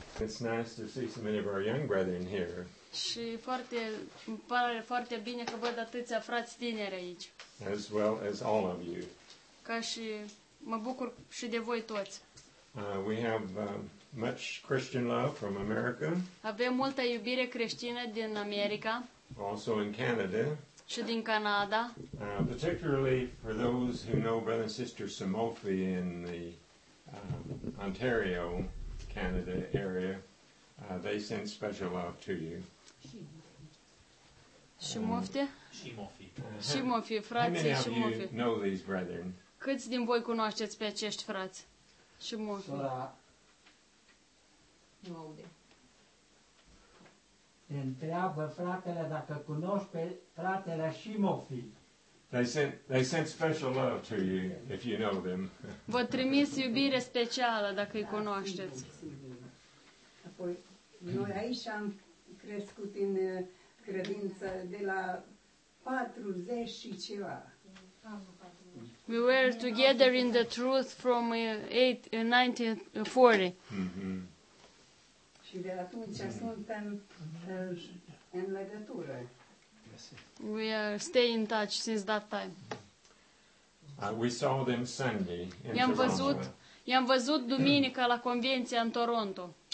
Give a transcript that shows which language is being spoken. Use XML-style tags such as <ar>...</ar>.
<en>It's nice to see so many of our young brethren here.</en> <ro>Și foarte, îmi pare foarte bine că văd atâția frați tineri aici.</ro> <en>As well as all of you.</en> <ro>Ca și mă bucur și de voi toți.</ro> <en>We have much Christian love from America.</en> <ro>Avem multă iubire creștină din America.</ro> <en>Also in Canada.</en> <ro>Și din Canada.</ro> <en>Particularly for those who know Brother and Sister Somofi in the Ontario, Canada area, they send special love to you. Shimofte? Shimofi.</en> <ro>Shimofi, frații Shimofi.</ro> <en>How many of you know these brethren?</en> <ro>Câți din voi cunoașteți pe acești frați? Shimofi. Sora. Te întreabă fratele dacă cunoști pe fratele Shimofi.</ro> <en>They sent special love to you if you know them.</en> <ro>Vă trimis iubire specială dacă îi cunoașteți. Apoi, noi aici am crescut în credință de la 40 și ceva.</ro> <en>We were together in the truth from 1940.</en> <ro>Și de atunci suntem în legătură.</ro> <en>We stay in touch since that time. We saw them Sunday in Toronto.</en> <ro>I'am văzut duminica la convenția în Toronto.</ro>